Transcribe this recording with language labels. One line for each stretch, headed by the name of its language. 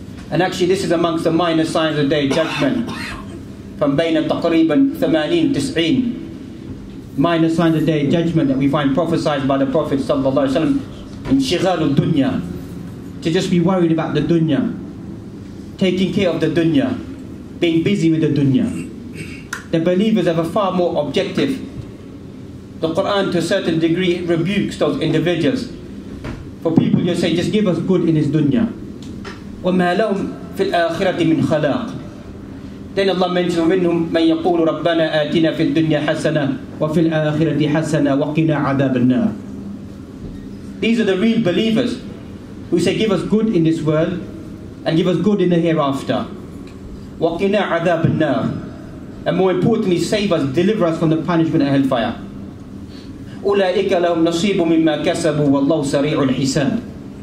English: And actually, this is amongst the minor signs of the Day of Judgment. From
Arabic: بين تقريبا
English: 80 90, minor signs of the Day of Judgment that we find prophesied by the Prophet ﷺ, in
Arabic: شغال الدنيا,
English: to just be worried about the dunya, taking care of the dunya, being busy with the dunya. The believers have a far more objective. The Quran, to a certain degree, rebukes those individuals. For people, you say, just give us good in this dunya.
Arabic: وَمَا لَهُمْ فِي الْآخِرَةِ مِنْ خَلَاقٍ.
English: Then Allah mentions,
Arabic: وَمِنْهُمْ مَنْ يَقُولُ رَبَّنَا آتِنَا فِي الدُّنْيَا حَسَنًا وَفِي الْآخِرَةِ حَسَنًا وَقِنَا عَذَابَ النَّارِ.
English: These are the real believers who say, give us good in this world and give us good in the hereafter.
Arabic: وَقِنَا عَذَابَ النَّارِ.
English: And more importantly, save us, deliver us from the punishment of hellfire.
Arabic: أُولَٰئِكَ لَهُمْ نَصِيبٌ مِمَّا كَسَبُوا وَاللَّهُ سَرِيعُ الْحِسَابِ.